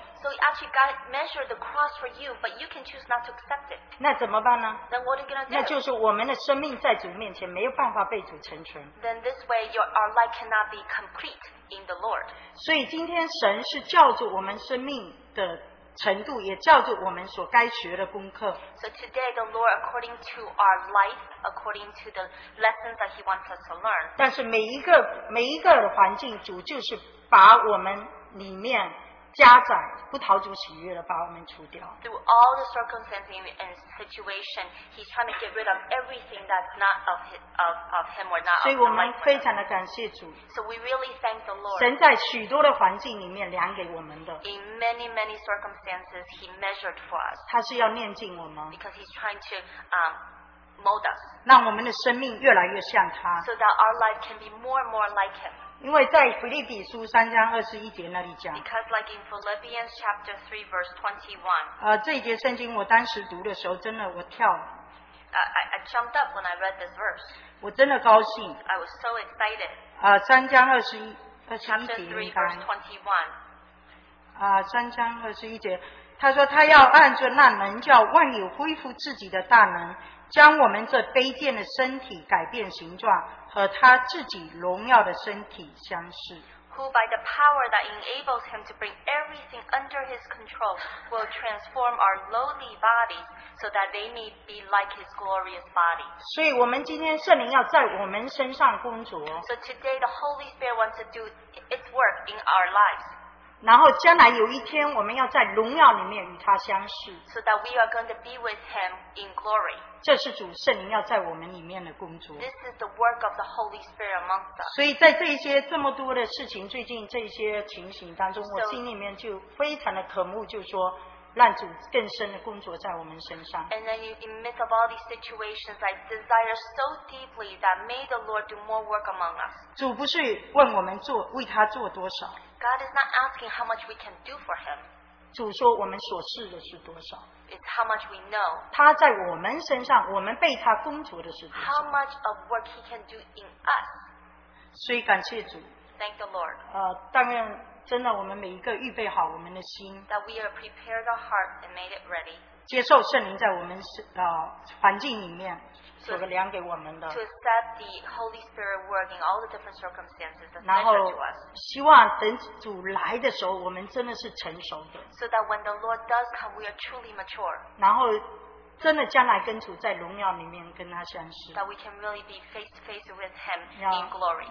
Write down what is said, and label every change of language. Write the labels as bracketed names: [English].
[English] So actually God measured the cross for you, but you can choose not to accept it. [Chinese] 那怎么办呢？ [English] Then what are you going to do? [Chinese] 那就是我们的生命在主面前没有办法被主成全。 [English] Then this way our life cannot be complete in the Lord. [Chinese] 所以今天神是叫做我们生命的程度，也照着我们所该学的功课。 [English] So today, the Lord, according to our life, according to the lessons that He wants us to learn. [Chinese] 但是每一个的环境，主就是把我们里面加载不讨主喜悦的，把我们除掉。 [English] Through all the circumstances and situation, He's trying to get rid of everything that's not of His, of Him or not of Him. [Chinese] 所以我们非常的感谢主。 [English] So we really thank the Lord. [Chinese] 神在许多的环境里面量给我们的。 [English] In many many circumstances, He measured for us. [Chinese] 他是要炼净我们。 [English] Because He's trying to mold us. [Chinese] 让我们的生命越来越像他。 [English] So that our life can be more and more like Him. [Chinese] 因为在腓立比书三章二十一节那里讲 [English] Because like in Philippians chapter 3 verse 21 [Chinese] 这一节圣经我当时读的时候真的我跳 [English] I jumped up when I read this verse [Chinese] 我真的高兴 [English] I was so excited [Chinese] 三章二十一节 [English] Chapter 3 verse 21 [Chinese] 三章二十一节他说他要按着那能叫万有恢复自己的大能将我们这卑贱的身体改变形状和他自己荣耀的身体相似 [English] Who by the power that enables him to bring everything under his control will transform our lowly bodies so that they may be like his glorious body. [Chinese] 所以我们今天圣灵要在我们身上工作 [English] So today the Holy Spirit wants to do its work in our lives. [Chinese] 然后将来有一天我们要在荣耀里面与他相似 [English] So that we are going to be with him in glory. [Chinese] 这是主圣灵要在我们里面的工作。 [English] This is the work of the Holy Spirit amongst us. [Chinese] 所以在这些这么多的事情，最近这些情形当中，我心里面就非常的渴慕，就说让主更深的工作在我们身上。 [English] And then in midst of all these situations, I desire so deeply that may the Lord do more work among us. [Chinese] 主不是问我们做为他做多少。 [English] God is not asking how much we can do for Him. [Chinese] 主说我们所事的是多少。 [English] It's how much we know. [Chinese] 他在我们身上，我们被他工作的是多少。 [English] How much of work he can do in us. [Chinese] 所以感谢主。 [English] Thank the Lord. [Chinese] 但愿真的我们每一个预备好我们的心。 [English] That we have prepared our heart and made it ready. [Chinese] 接受圣灵在我们环境里面所量给我们的。 [English] To accept the Holy Spirit work in all the different circumstances that's measured to us. [Chinese] 然后希望等主来的时候，我们真的是成熟的。 [English] So that when the Lord does come, we are truly mature. [Chinese] 然后真的将来跟主在荣耀里面跟他相识。 [English] That we can really be face to face with Him in glory.